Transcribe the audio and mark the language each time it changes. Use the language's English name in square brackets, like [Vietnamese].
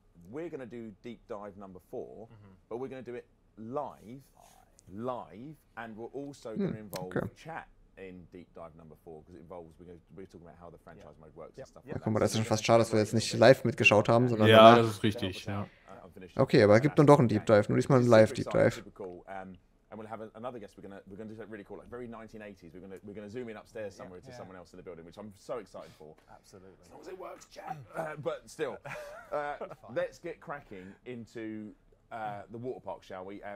[English] We're gonna do deep dive number 4, but we're gonna do it live, and we're also gonna involve chat in deep dive number 4, because it involves, we're talking about how the franchise mode works and stuff. [German] Ja, guck mal, das ist schon fast schade, dass wir jetzt nicht live mitgeschaut haben, sondern. Ja, danach. Das ist richtig, ja. Okay, aber es gibt dann doch einen Deep Dive, nur diesmal einen Live-Deep Dive. [English] And we'll have another guest. We're gonna do something really cool, like very 1980s. We're gonna zoom in upstairs somewhere to someone else in the building, which I'm so excited for. Absolutely. As long as it works, chat. But still, let's get cracking into the water park, shall we?